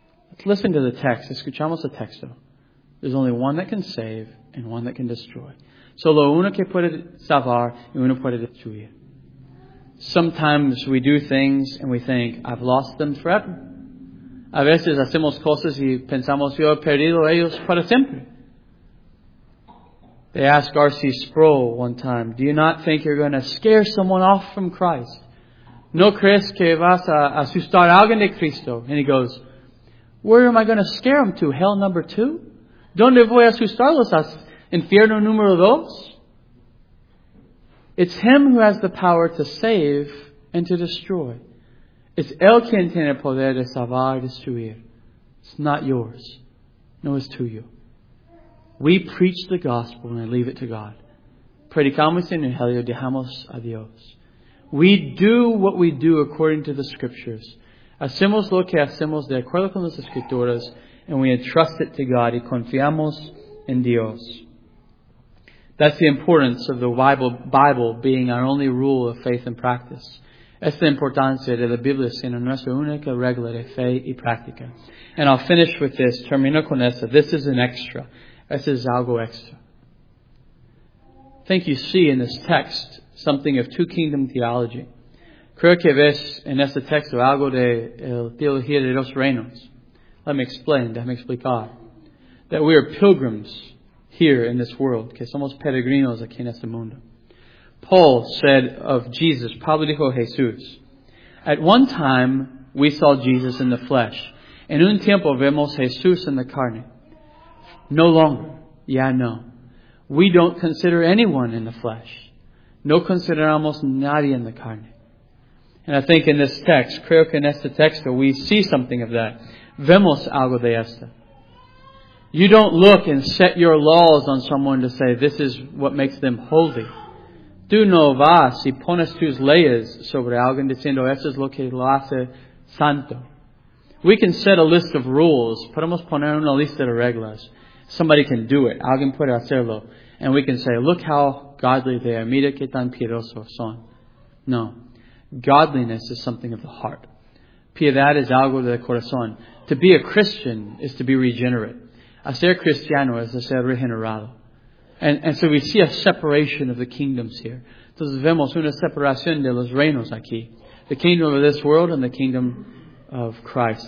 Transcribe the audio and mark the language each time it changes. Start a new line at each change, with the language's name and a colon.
English: Let's listen to the text.
Spanish: Escuchamos el texto.
English: There's only one that can save and one that can destroy.
Spanish: Solo uno que puede salvar y uno puede destruir.
English: Sometimes we do things and we think, I've lost them forever.
Spanish: A veces hacemos cosas y pensamos, yo he perdido ellos para siempre.
English: They asked R.C. Sproul one time, do you not think you're going to scare someone off from Christ?
Spanish: ¿No crees que vas a asustar a alguien de Cristo?
English: And he goes, where am I going to scare them to? Hell number two?
Spanish: ¿Dónde voy a asustarlos? ¿Infierno número dos?
English: It's him who has the power to save and to destroy.
Spanish: It's él quien tiene el poder de salvar y destruir.
English: It's not yours. No, it's to you. We preach the gospel and leave it to God.
Spanish: Predicamos el Evangelio, dejamos a Dios.
English: We do what we do according to the scriptures.
Spanish: Hacemos lo que hacemos de acuerdo con las escrituras,
English: and we entrust it to God
Spanish: y confiamos en Dios.
English: That's the importance of the Bible being our only rule of faith and practice.
Spanish: Es la importancia de la Biblia siendo nuestra única regla de fe y práctica.
English: And I'll finish with this.
Spanish: Termino con esto.
English: This is an extra.
Spanish: Esto es algo extra.
English: I think you see in this text something of two kingdom theology.
Spanish: Creo que ves en este texto algo de teología de dos reinos.
English: Let me explain.
Spanish: Déjame explicar.
English: That we are pilgrims here in this world.
Spanish: Que somos peregrinos aquí en este mundo.
English: Paul said of Jesus,
Spanish: Pablo dijo Jesús,
English: at one time we saw Jesus in the flesh.
Spanish: En un tiempo vemos Jesús en la carne.
English: No longer. Yeah, no. We don't consider anyone in the flesh.
Spanish: No consideramos nadie en la carne.
English: And I think in this text,
Spanish: creo que en este texto,
English: we see something of that.
Spanish: Vemos algo de esto.
English: You don't look and set your laws on someone to say, this is what makes them holy.
Spanish: Tú no vas y pones tus leyes sobre alguien diciendo, esto es lo que lo hace santo.
English: We can set a list of rules.
Spanish: Podemos poner una lista de reglas.
English: Somebody can do it.
Spanish: Alguien puede hacerlo.
English: And we can say, look how godly they are.
Spanish: Mira qué tan piedoso son. No.
English: Godliness is something of the heart.
Spanish: Piedad es algo del corazón.
English: To be a Christian is to be regenerate.
Spanish: A ser cristiano es a ser regenerado.
English: And so we see a separation of the kingdoms here.
Spanish: Entonces vemos una separación de los reinos aquí.
English: The kingdom of this world and the kingdom of Christ.